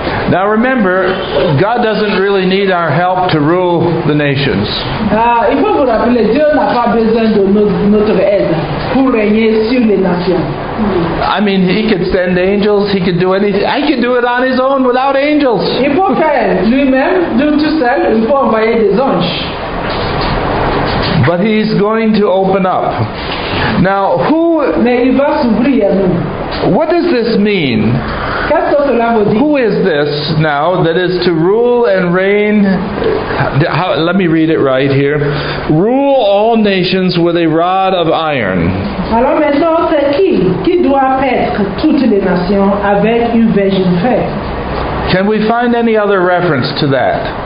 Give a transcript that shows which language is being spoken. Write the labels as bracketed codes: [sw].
[en] Now remember, God doesn't really need our help to rule the nations. [fr] Il faut vous rappeler, Dieu n'a pas besoin de notre aide pour régner sur les nations. [en] I mean, he could send angels, he could do anything. I could do it on his own without angels. [fr] Il faut faire lui-même, tout seul, il faut envoyer des anges. [en] But he's going to open up. Now, who... [fr] Mais il va s'ouvrir à nous. [en] What does this mean? Who is this now that is to rule and reign? How, let me read it right here. Rule all nations with a rod of iron. [fr] Alors maintenant, c'est qui doit paître toutes les nations avec une verge de fer? [en] Can we find any other reference to that?